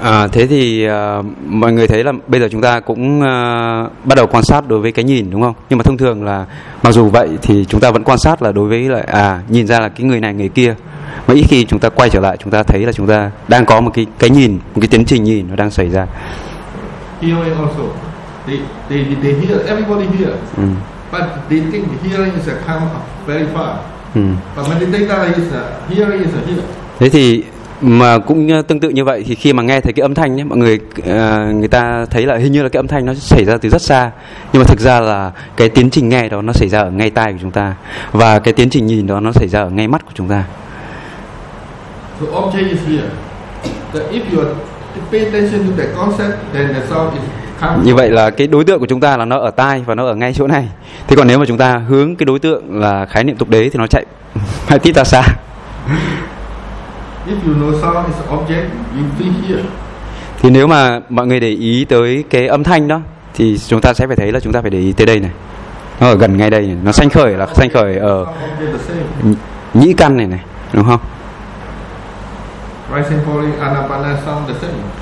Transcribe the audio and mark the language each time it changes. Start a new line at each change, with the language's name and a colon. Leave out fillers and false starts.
Vietnamese: Thế thì mọi người thấy là bây giờ chúng ta cũng bắt đầu quan sát đối với cái nhìn, đúng không? Nhưng mà thông thường là mặc dù vậy thì chúng ta vẫn quan sát là đối với lại nhìn ra là cái người này người kia. Mà ít khi chúng ta quay trở lại, chúng ta thấy là chúng ta đang có một cái nhìn, một cái tiến trình nhìn nó đang xảy ra.
English: Hearing also, they hear, everybody hear, but they think the hearing is a come very far. But when they think that is a hearing is a hearing.
Vietnamese: Thế thì mà cũng tương tự như vậy thì khi mà nghe thấy cái âm thanh ấy, mọi người người ta thấy là hình như là cái âm thanh nó xảy ra từ rất xa, nhưng mà thực ra là cái tiến trình nghe đó nó xảy ra ở ngay tai của chúng ta, và cái tiến trình nhìn đó nó xảy ra ở ngay mắt của chúng ta.
English: So object is here. So if you are paying attention to the concept, then the sound is coming.
Vietnamese: Như vậy là cái đối tượng của chúng ta là nó ở tai và nó ở ngay chỗ này. Thế còn nếu mà chúng ta hướng cái đối tượng là khái niệm tục đế thì nó chạy hay tít ra xa.
English: If you know sound is object, you think here.
Vietnamese: Thì nếu mà mọi người để ý tới cái âm thanh đó thì chúng ta sẽ phải thấy là chúng ta phải để ý tới đây này. Nó ở gần ngay đây này. Nó sanh khởi là sanh khởi ở nhĩ căn này này, đúng không?
English: Rising falling anapana sound the same.